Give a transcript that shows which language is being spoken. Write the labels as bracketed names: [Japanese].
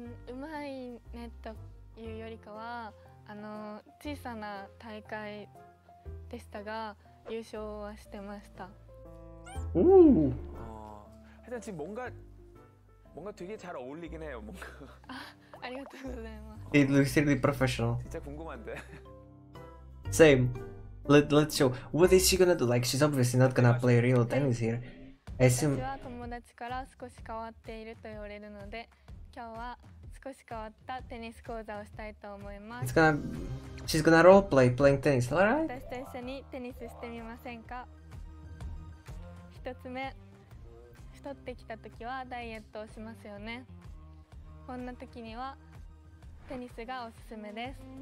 [Japanese] うまいねというよりかは、小さな大会でしたが優勝はしてました。 [Korean] 하여튼 지금 뭔가 되게 잘 어울리긴 해요, 뭔가. 아, 감사합니다. [English] It looks really professional. [Korean] 진짜 궁금한데. [English] Same. Let's show. What is she gonna do? Like, she's obviously not gonna play real tennis here. I assume. [Japanese] 私は友達から少し変わっていると言われるので、 今日は少し変わったテニス講座をしたいと思います。 [English] It's gonna she's gonna role play playing tennis, alright? [Japanese] 私と一緒にテニスしてみませんか。1つ目、太ってきた時はダイエットをしますよね。こんな時にはテニスがおすすめです。